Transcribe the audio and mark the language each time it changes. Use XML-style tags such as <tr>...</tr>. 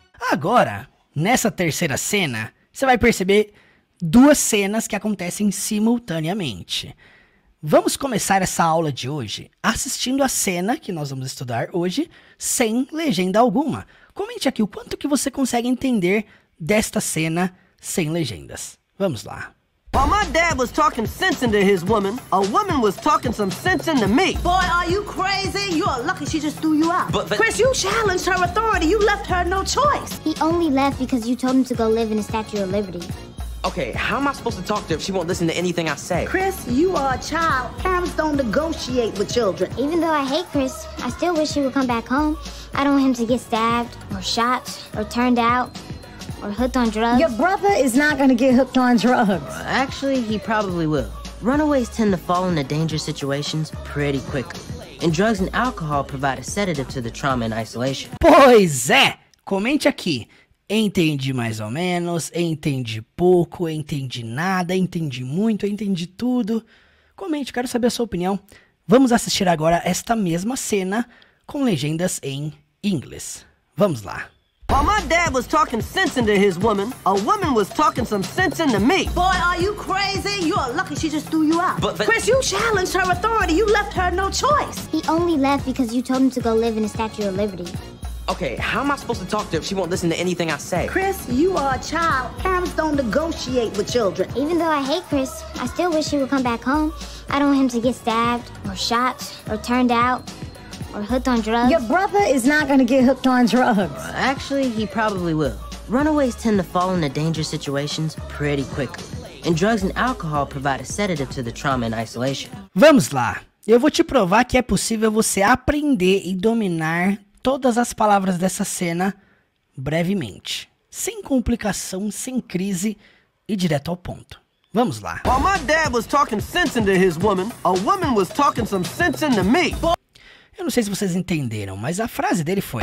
<pt>Agora, nessa terceira cena, você vai perceber duas cenas que acontecem simultaneamente. Vamos começar essa aula de hoje assistindo a cena que nós vamos estudar hoje sem legenda alguma. Comente aqui o quanto que você consegue entender desta cena sem legendas. Vamos lá.</pt> <en>While my dad was talking sense into his woman, a woman was talking some sense into me. Boy, are you crazy? You are lucky she just threw you out. But Chris, you challenged her authority. You left her no choice. He only left because you told him to go live in a Statue of Liberty. Okay, how am I supposed to talk to her if she won't listen to anything I say? Chris, you are a child. Parents don't negotiate with children. Even though I hate Chris, I still wish he would come back home. I don't want him to get stabbed, or shot, or turned out, or hooked on drugs. Your brother is not gonna get hooked on drugs. Actually, he probably will. Runaways tend to fall into dangerous situations pretty quickly. And drugs and alcohol provide a sedative to the trauma and isolation.</en> <pt>Pois é! Comente aqui. Entendi mais ou menos, entendi pouco, entendi nada, entendi muito, entendi tudo. Comente, quero saber a sua opinião. Vamos assistir agora esta mesma cena com legendas em inglês. Vamos lá.</pt> <en>While my dad was talking sense into his woman, a woman was talking some sense into me. Boy, are you crazy? You are lucky she just threw you out. But Chris, you challenged her authority. You left her no choice. He only left because you told him to go live in a Statue of Liberty. Okay, how am I supposed to talk to her if she won't listen to anything I say? Chris, you are a child. Parents don't negotiate with children. Even though I hate Chris, I still wish he would come back home. I don't want him to get stabbed, or shot, or turned out, or hooked on drugs. Your brother is not gonna get hooked on drugs. Actually, he probably will. Runaways tend to fall into dangerous situations pretty quickly. And drugs and alcohol provide a sedative to the trauma and isolation.</en> <pt>Vamos lá. Eu vou te provar que é possível você aprender e dominar todas as palavras dessa cena brevemente, sem complicação, sem crise e direto ao ponto. Vamos lá.</pt> <en>While my dad was talking sense into his woman, a woman was talking some sense into me.</en> <pt>Eu não sei se vocês entenderam, mas a frase dele foi:</pt>